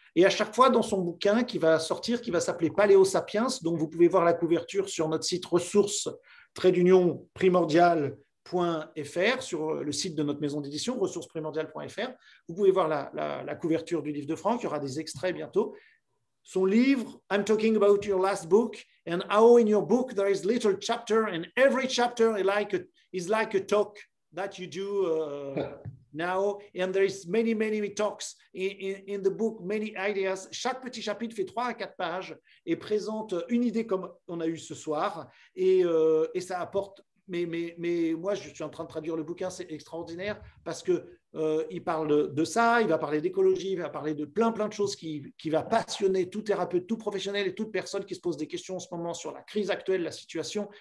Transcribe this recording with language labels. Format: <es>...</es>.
<fr>Et à chaque fois, dans son bouquin qui va sortir, qui va s'appeler Paléo Sapiens, donc vous pouvez voir la couverture sur notre site ressources-primordial.fr, sur le site de notre maison d'édition, ressources-primordial.fr. Vous pouvez voir la couverture du livre de Franck, il y aura des extraits bientôt. Son livre,</fr> <en>I'm talking about your last book and how in your book there is little chapter and every chapter is like a talk that you do now and there is many talks in the book, many ideas.</en> <fr>Chaque petit chapitre fait 3 à 4 pages et présente une idée comme on a eu ce soir et ça apporte, mais moi je suis en train de traduire le bouquin, c'est extraordinaire parce que il parle de ça, il va parler d'écologie, il va parler de plein de choses qui va passionner tout thérapeute, tout professionnel et toute personne qui se pose des questions en ce moment sur la crise actuelle, la situation.</fr>